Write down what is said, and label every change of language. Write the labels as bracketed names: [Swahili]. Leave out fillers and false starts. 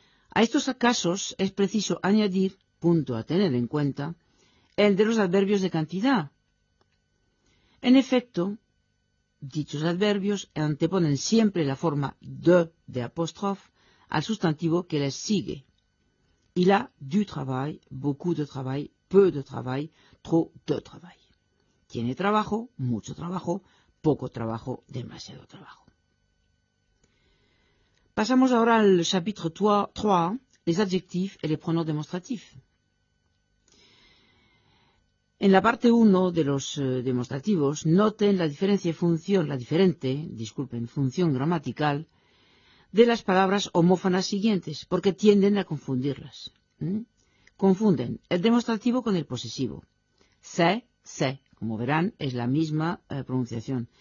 [Spanish] A estos casos es preciso añadir, punto a tener en cuenta, el de los adverbios de cantidad. En efecto, dichos adverbios anteponen siempre la forma de apóstrofe al sustantivo que les sigue. [French] Il a du travail, beaucoup de travail, peu de travail, trop de travail. [Spanish] Tiene trabajo, mucho trabajo, poco trabajo, demasiado trabajo. Pasamos ahora al [French] chapitre 3, les adjectifs et les pronoms démonstratifs. [Spanish] En la parte 1 de los demostrativos, noten la diferencia función gramatical de las palabras homófonas siguientes, porque tienden a confundirlas. Confunden el demostrativo con el posesivo. Se, como verán, es la misma pronunciación.